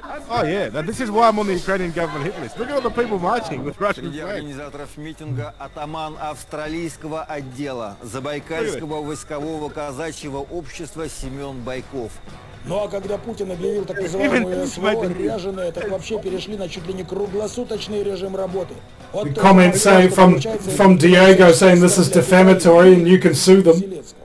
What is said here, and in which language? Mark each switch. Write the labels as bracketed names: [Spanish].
[English] Oh yeah, now, this is why I'm on the Ukrainian government hit list. Look at all the people marching with Russian flags. [Russian] Среди организаторов митинга атаман австралийского отдела Забайкальского войскового казачьего общества Семен Байков. Ну а когда Путин объявил так называемую СВО ряженую, так вообще перешли на чуть ли не круглосуточный режим работы. [English] The comment saying from Diego saying this is defamatory and you can sue them.